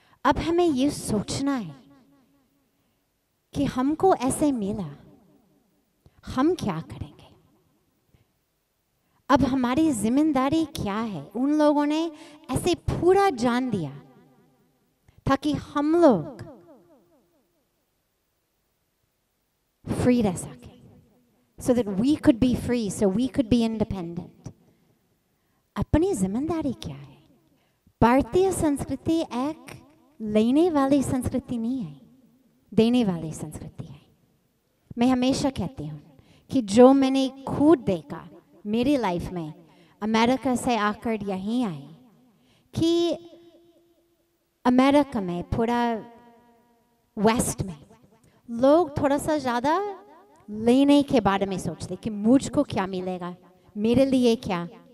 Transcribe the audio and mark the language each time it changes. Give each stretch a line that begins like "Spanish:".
Hindi: अब हमें ये सोचना है कि हमको ऐसे मिला, हम क्या करेंगे? अब हमारी जिम्मेदारी क्या है? उन लोगों ने ऐसे पूरा जान दिया ताकि हम लोग फ्री रह सकें.
English: So that we could be free, so we could be independent.
Hindi: अपनी जिम्मेदारी क्या है? भारतीय संस्कृति एक लेने वाली संस्कृति नहीं है, देने वाली संस्कृति है. मैं हमेशा कहती हूँ कि जो मैंने खुद देखा मेरी लाइफ में, अमेरिका से आकर यहीं आई, कि अमेरिका में, पूरा वेस्ट में, लोग थोड़ा सा ज़्यादा लेने के बारे में सोचते कि मुझको क्या मिलेगा, मेरे लिए क्या.